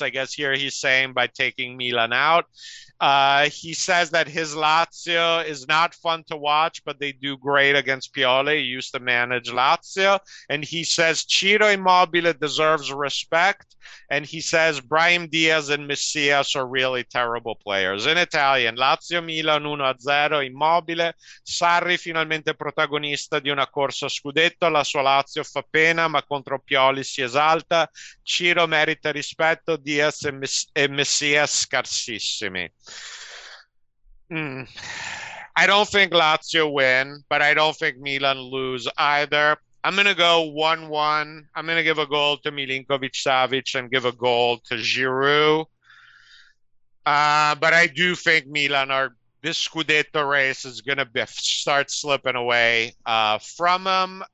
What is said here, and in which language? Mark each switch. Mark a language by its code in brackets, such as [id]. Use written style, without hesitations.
[en] I guess here he's saying by taking Milan out. He says that his Lazio is not fun to watch, but they do great against Pioli. He used to manage Lazio. And he says Ciro Immobile deserves respect. And he says Brahim Diaz and Messias are really terrible players. In Italian, Lazio Milan 1-0, Immobile. [it] Sarri finalmente protagonista di una corsa scudetto. La sua Lazio fa pena, ma contro Pioli si esalta. Ciro merita rispetto, Diaz e Messias scarsissimi. [en] I don't think Lazio win, but I don't think Milan lose either. I'm going to go 1-1. I'm going to give a goal to Milinkovic-Savic and give a goal to Giroud. But I do think Milan are, this Scudetto race is going to start slipping away from them.